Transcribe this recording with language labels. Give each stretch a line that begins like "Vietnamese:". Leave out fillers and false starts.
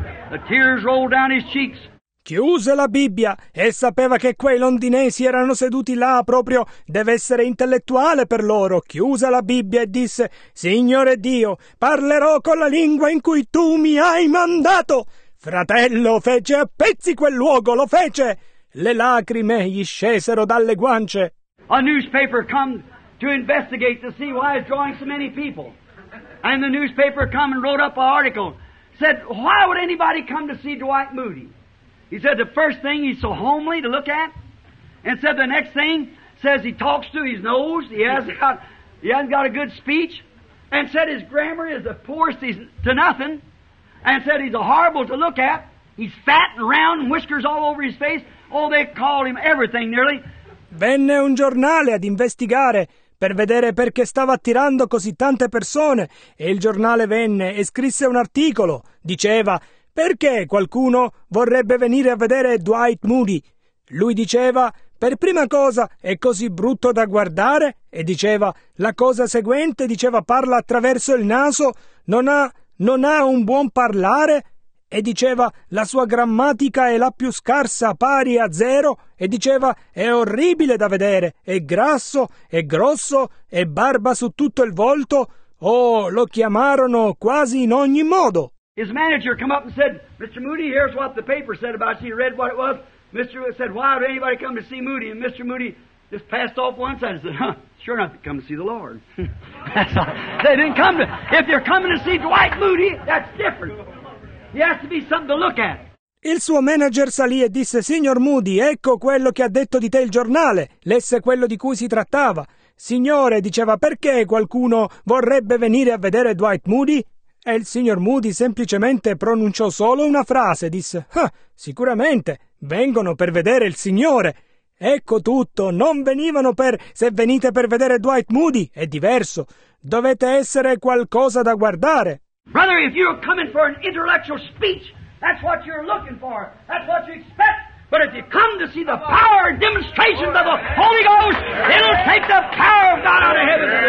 English: The tears rolled down his cheeks.
Italian: Chiuse la Bibbia e sapeva che quei londinesi erano seduti là proprio, deve essere intellettuale per loro. Chiuse la Bibbia e disse, Signore Dio, parlerò con la lingua in cui tu mi hai mandato. Fratello, fece a pezzi quel luogo, lo fece. Le lacrime gli scesero dalle guance.
English: A newspaper come to investigate to see why it's drawing so many people. And the newspaper come and wrote up an article. Said, why would anybody come to see Dwight Moody? He said, the first thing, he's so homely to look at. And said, the next thing, says he talks through his nose. He hasn't got a good speech. And said, his grammar is the poorest he's to nothing. And said, he's a horrible to look at. He's fat and round and whiskers all over his face. Oh, they called him everything nearly.
Italian: Venne un giornale ad investigare per vedere perché stava attirando così tante persone. E il giornale venne e scrisse un articolo. Diceva, perché qualcuno vorrebbe venire a vedere Dwight Moody? Lui diceva, per prima cosa è così brutto da guardare. E diceva, la cosa seguente, diceva, parla attraverso il naso, non ha un buon parlare. E diceva, la sua grammatica è la più scarsa, pari a zero. E diceva, è orribile da vedere, è grasso, è grosso, è barba su tutto il volto. Oh, lo chiamarono quasi in ogni modo.
English: His manager come up and said, Mr. Moody, here's what the paper said about you. He read what it was. Mr. Moody said, why would anybody come to see Moody? And Mr. Moody just passed off one side and said, huh, sure enough, they come to see the Lord. They didn't come to, if they're coming to see Dwight Moody, that's different. He has to be something to look at.
Italian: Il suo manager salì e disse, signor Moody, ecco quello che ha detto di te il giornale, lesse quello di cui si trattava. Signore, diceva, perché qualcuno vorrebbe venire a vedere Dwight Moody? E il signor Moody semplicemente pronunciò solo una frase, disse, sicuramente, vengono per vedere il signore. Ecco tutto, non venivano per, se venite per vedere Dwight Moody, è diverso, dovete essere qualcosa da guardare.
English: Brother, if you're coming for an intellectual speech, that's what you're looking for. That's what you expect. But if you come to see the power and demonstrations of the Holy Ghost, it'll take the power of God out of heaven.